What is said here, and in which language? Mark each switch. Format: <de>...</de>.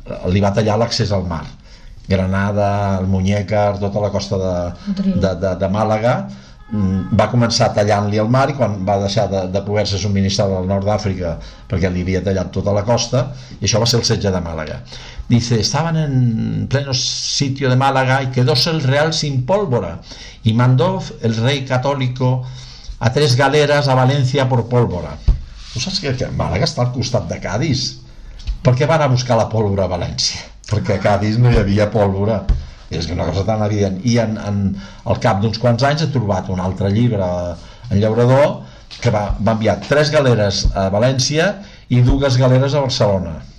<ca>li va tallar l'accés al mar. Granada, el Muñécar, tota la costa de Màlaga, va començar tallant-li el mar, i quan va deixar de poder-se subministrar al nord d'Àfrica perquè li havia tallat tota la costa, i això va ser el setge de Màlaga.</ca> <es>Dice, estaban en pleno sitio de Málaga y quedóse el real sin pólvora, y mandó el rey católico a 3 galeras a Valencia por pólvora.</es> <ca>Tu saps que Màlaga està al costat de Cádiz? Per què van a buscar la pólvora a València? Perquè a Cádiz no hi havia pólvora. És una cosa tan evident. I al cap d'uns quants anys he trobat un altre llibre en Llaurador que va enviar 3 galeres a València i 2 galeres a Barcelona.</ca>